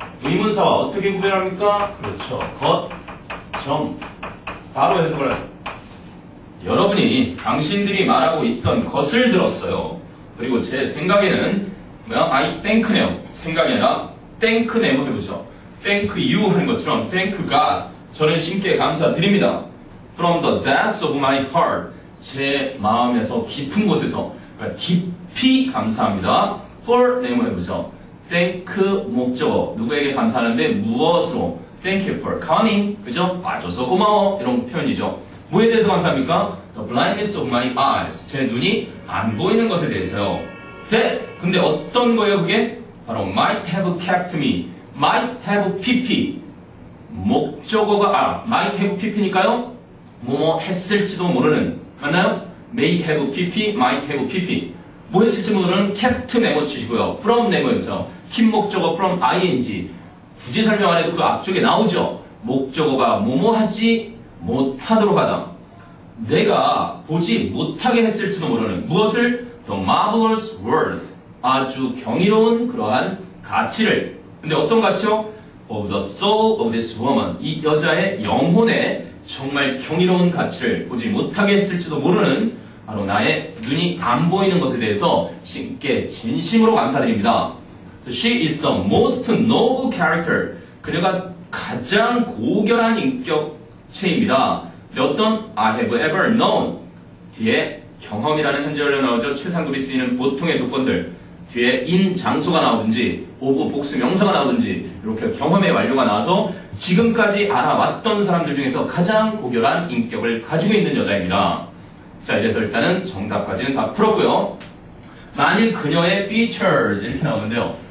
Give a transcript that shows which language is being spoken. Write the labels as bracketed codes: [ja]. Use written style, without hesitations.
[ko] 의문사와 어떻게 구별합니까? 그렇죠. 것, 점. 바로 해석을 하죠. 여러분이 당신들이 말하고 있던 것을 들었어요. 그리고 제 생각에는 뭐야? [en] I thank them. [ko] 생각이 아니라 thank them 해보죠. [en] Thank you [ko] 하는 것처럼 [en] thank God. [ko] 저는 신께 감사드립니다. [en] From the depths of my heart. [ko] 제 마음에서 깊은 곳에서 깊이 감사합니다. [en] For name [ko] 해보죠. Thank 목적어 누구에게 감사하는데 무엇으로 [en] Thank you for coming [ko] 그죠? 와줘서 고마워 이런 표현이죠. 뭐에 대해서 감사합니까? [en] The blindness of my eyes [ko] 제 눈이 안 보이는 것에 대해서요. That 근데 어떤 거예요 그게? [en] 바로 might have kept me might have pp [ko] 목적어가 아 [en] might have pp니까요? [ko] 뭐뭐 했을지도 모르는 맞나요? [en] May have pp might have pp [ko] 뭐 했을지 모르는 [en] kept [ko] 네모 치시고요. from 네모에서 keep 목적어 from ing 굳이 설명 안 해도 그 앞쪽에 나오죠. 목적어가 뭐뭐 하지 못하도록 하다. 내가 보지 못하게 했을지도 모르는 무엇을? [en] The marvelous words [ko] 아주 경이로운 그러한 가치를 근데 어떤 가치요? [en] Of the soul of this woman [ko] 이 여자의 영혼에 정말 경이로운 가치를 보지 못하게 했을지도 모르는 바로 나의 눈이 안 보이는 것에 대해서 신께 진심으로 감사드립니다. [en] She is the most noble character. [ko] 그녀가 가장 고결한 인격체입니다. 어떤 [en] I have ever known. [ko] 뒤에 경험이라는 현재완료 나오죠. 최상급이 쓰이는 보통의 조건들. 뒤에 in 장소가 나오든지 of 복수 명사가 나오든지 이렇게 경험의 완료가 나와서 지금까지 알아왔던 사람들 중에서 가장 고결한 인격을 가지고 있는 여자입니다. 자 이래서 일단은 정답까지는 다 풀었고요. 만일 그녀의 features 이렇게 나오는데요.